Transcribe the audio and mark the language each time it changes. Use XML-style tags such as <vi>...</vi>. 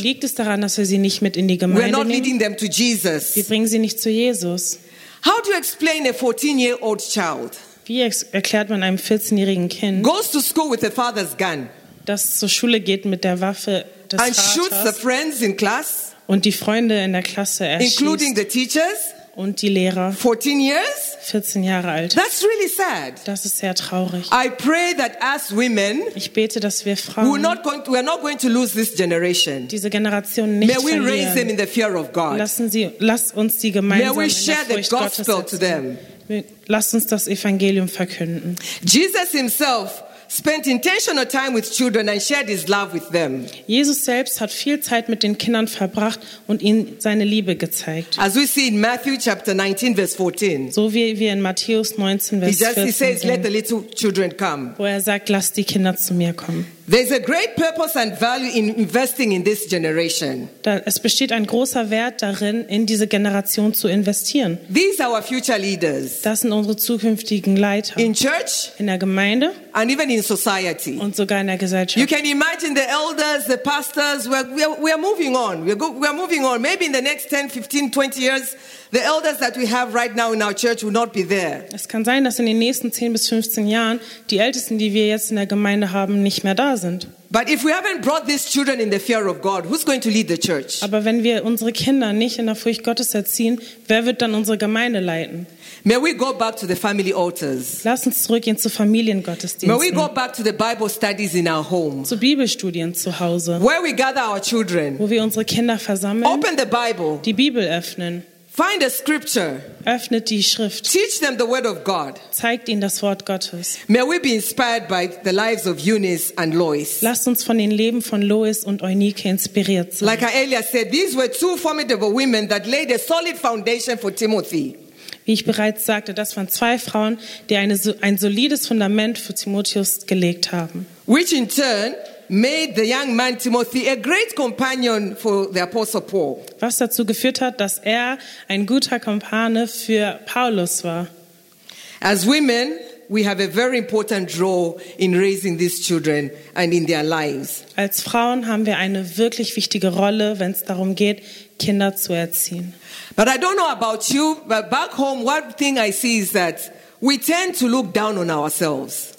<de>Liegt es daran, dass wir sie nicht mit in die Gemeinde nehmen?</de> <en>We're not leading them to Jesus.</en> <de>Wir bringen sie nicht zu Jesus.</de> <en>How do you explain a 14-year-old child?</en> <de>Wie erklärt man einem 14-jährigen Kind,</de> <en>goes to school with the father's gun,</en> <de>das zur Schule geht mit der Waffe des</de> <en>and</en> <de>Vaters</de> <en>shoots the friends in class,</en> <de>und die Freunde in der Klasse erschießt,</de> <en>including the teachers,</en> <de>und die Lehrer,</de> <en>14 years?</en> <de>14 Jahre alt.</de> <en>That's really sad.</en> <de>Das ist sehr traurig.</de> <en>I pray that us women,</en> <de>ich bete, dass wir Frauen,</de> <en>we are not going to lose this generation.</en> <de>Diese Generation nicht</de> <en>may we</en> <de>verlieren.</de> <en>Raise them in the fear of God.</en> <de>Lass uns sie gemeinsam</de> <en>may we share</en> <de>in der Furcht</de> <en>the gospel</en> <de>Gottes erziehen.</de> <en>To them.</en> <de>Lasst uns das Evangelium verkünden.</de> <en>Jesus himself spent intentional time with children and shared his love with them.</en> <de>Jesus selbst hat viel Zeit mit den Kindern verbracht und ihnen seine Liebe gezeigt.</de> <en>As we see in Matthew chapter 19 verse 14.</en> <de>So wie wir in Matthäus 19 Vers 14 sehen.</de> <en>He says, "Let the little children come."</en> <de>Wo er sagt, lasst die Kinder zu mir kommen.</de> <en>There's a great purpose and value in investing in this generation.</en> <de>Es besteht ein großer Wert darin, in diese Generation zu investieren.</de> <en>These are our future leaders.</en> <de>Das sind unsere zukünftigen Leiter.</de> <en>In church,</en> <de>in der Gemeinde,</de> <en>and even in society.</en> <de>Und sogar in der Gesellschaft.</de> <en>You can imagine the elders, the pastors, we are moving on. We are moving on. Maybe in the next 10, 15, 20 years, the elders that we have right now in our church will not be there.</en> <de>Es kann sein, dass in den nächsten 10 bis 15 Jahren die Ältesten, die wir jetzt in der Gemeinde haben, nicht mehr da sind.</de> <en>But if we haven't brought these children in the fear of God, who's going to lead the church?</en> <de>Aber wenn wir unsere Kinder nicht in der Furcht Gottes erziehen, wer wird dann unsere Gemeinde leiten?</de> <en>May we go back to the family altars.</en> <de>Lass uns zurückgehen zu Familiengottesdiensten.</de> <en>May we go back to the Bible studies in our home.</en> <de>Zu Bibelstudien zu Hause.</de> <en>Where we gather our children.</en> <de>Wo wir unsere Kinder versammeln.</de> <en>Open the Bible.</en> <de>Die Bibel öffnen.</de> <en>Find a scripture.</en> <de>Öffnet die Schrift.</de> <en>Teach them the word of God.</en> <de>Zeigt ihnen das Wort Gottes.</de> <en>May we be inspired by the lives of Eunice and Lois.</en> <de>Lasst uns von den Leben von Lois und Eunike inspiriert sein.</de> <en>Like Aelia said, these were two formidable women that laid a solid foundation for Timothy.</en> <de>Wie ich bereits sagte, das waren zwei Frauen, die ein solides Fundament für Timotheus gelegt haben.</de> <en>Which in turn made the young man Timothy a great companion for the apostle Paul.</en> <de>Was dazu geführt hat, dass er ein guter Kumpane für Paulus war.</de> <en>As women, we have a very important role in raising these children and in their lives.</en> <de>Als Frauen haben wir eine wirklich wichtige Rolle, wenn es darum geht, Kinder zu erziehen.</de> <en>But I don't know about you, but back home, one thing I see is that we tend to look down on ourselves.</en>